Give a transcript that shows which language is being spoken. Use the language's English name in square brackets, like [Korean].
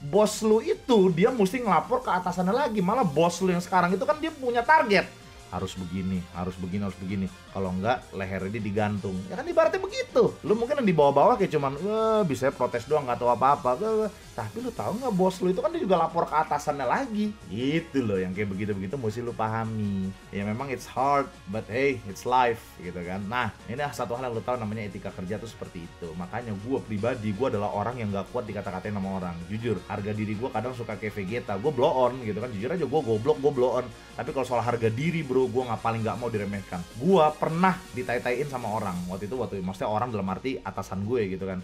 [Indonesian] Bos lu itu dia mesti ngelapor ke atasannya lagi. Malah bos lu yang sekarang itu kan dia punya target. Harus begini. Kalau enggak, lehernya dia digantung. Ya kan ibaratnya begitu. Lu mungkin yang di bawah-bawah kayak cuman, bisa protes doang, enggak tahu apa-apa. Tapi lu tahu enggak bos lu itu kan dia juga lapor ke atasannya lagi. Gitu loh, yang kayak begitu-begitu mesti lu pahami. Ya memang [English] it's hard, but hey, it's life. [Indonesian] Gitu kan. Nah, ini satu hal yang lu tahu namanya etika kerja tuh seperti itu. Makanya gue pribadi, gue adalah orang yang enggak kuat dikata-katain sama orang. Jujur, harga diri gue kadang suka kayak Vegeta. Gue [English] blow on [Indonesian] gitu kan. Jujur aja, gue goblok, gue [English] blow on. [Indonesian] Tapi kalau soal harga diri, bro, gue gak paling gak mau diremehkan. Gue pernah ditai-taiin sama orang. Waktu itu, maksudnya orang dalam arti atasan gue gitu kan.